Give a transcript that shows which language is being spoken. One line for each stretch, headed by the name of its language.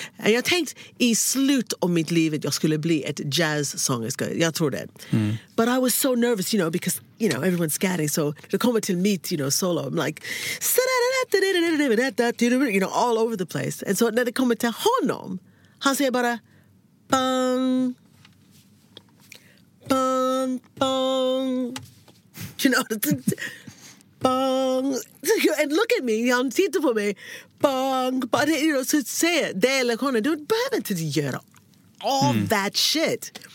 Swedish: And jag tänkte i slut om mitt liv att jag skulle bli ett jazz sångerska. Jag tror det.
English: But I was so nervous, you know, because, you know, everyone's scatting. So to come till meet, you know, solo, I'm like, you know, all over the place. And so
Swedish: när det kommer till honom, han säger bara, bang.
English: Bang, bang. You know, bang. And look at me,
Swedish: han tittar på mig.
English: Bang, bang. You know,
Swedish: så säger jag, det är lektionen. Du behöver inte göra
English: all that shit.